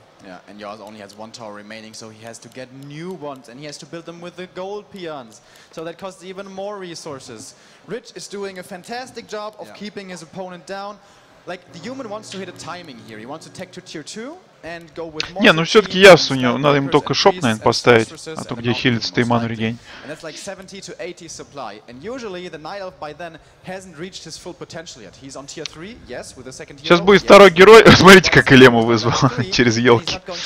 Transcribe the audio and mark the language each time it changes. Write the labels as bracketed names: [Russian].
[English] Yeah, and Yoss only has one tower remaining, so he has to get new ones, and he has to build them with the gold peons. So that costs even more resources. Rich is doing a fantastic job of keeping his opponent down. Like, the human wants to hit a timing here. He wants to tech to tier 2 and go with more... [Russian] Не, ну все-таки Yoss, у него, надо ему только шоп, наверное, поставить, а то где хилится-то и ману регейн. [English] And that's like 70 to 80 supply. And usually the Night Elf by then hasn't reached his full potential yet. He's on tier 3, yes, with a second hero. [Russian] Сейчас будет второй герой. Смотрите, как Элему вызвал через елки.